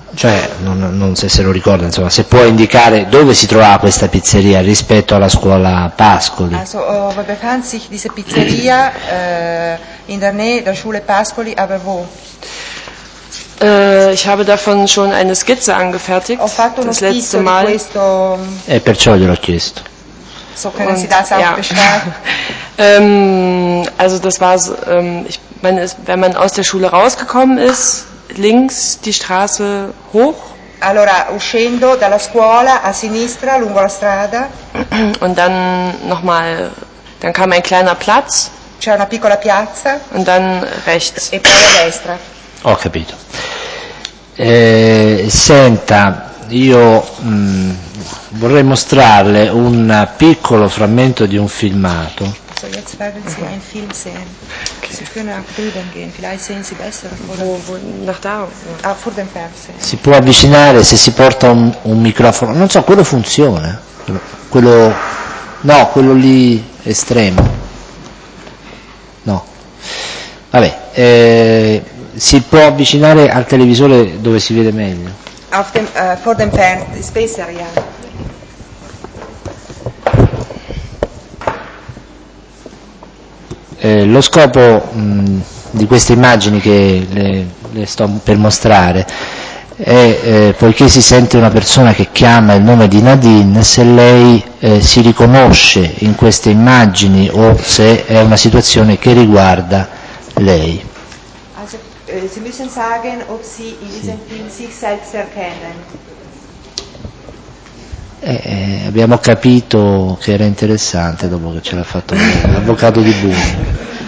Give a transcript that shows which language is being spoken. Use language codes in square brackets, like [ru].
[it] Cioè, non so se lo ricorda, insomma, se può indicare dove si trovava questa pizzeria rispetto alla scuola Pascoli. [de] Also, wo befand sich diese Pizzeria in der Nähe der Schule Pascoli, aber wo? Ich habe davon schon eine Skizze angefertigt. [it] Ho fatto [de] das letzte Mal. [it] Questo... E perciò gliel'ho chiesto. [de] So können Sie das auch beschreiben? Also das war, ich meine, wenn man aus der Schule rausgekommen ist, links die Straße hoch. [it] Allora, uscendo dalla scuola, a sinistra, lungo la strada. [de] Und dann nochmal, dann kam ein kleiner Platz. [it] C'è una piccola piazza. [de] Und dann rechts. [it] E poi a destra. Ho capito. Senta, io vorrei mostrarle un piccolo frammento di un filmato. [de] So, jetzt werden Sie einen Film sehen. Okay. Sie können auch drüben gehen. Vielleicht sehen Sie besser. Nach da. Ah, vor dem Fernseher. [it] Si può avvicinare se si porta un microfono. Non so, quello funziona. Quello. No, quello lì estremo. No. Vabbè. Si può avvicinare al televisore dove si vede meglio. [de] Auf dem, vor dem Fernseher. Spesser, ja. [it] Lo scopo di queste immagini che le sto per mostrare è, poiché si sente una persona che chiama il nome di Nadine, se lei si riconosce in queste immagini o se è una situazione che riguarda lei. [de] Also, Sie müssen sagen, ob Sie in diesem Film sich selbst erkennen. [it] Abbiamo capito che era interessante dopo che ce l'ha fatto l'avvocato di Bun.